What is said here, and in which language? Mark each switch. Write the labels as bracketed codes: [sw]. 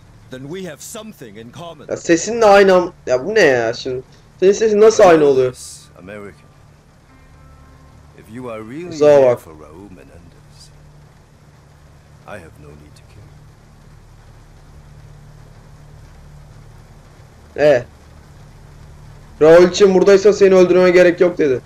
[en] Then we have something in common. [tr] Ya sesinle aynı am- ya bu ne ya şimdi? Senin sesin nasıl aynı oluyor? America. [en] If you are really here for Raul Menendez, I have no need to care. [tr] Raul için buradaysa seni öldürmeme gerek yok dedi.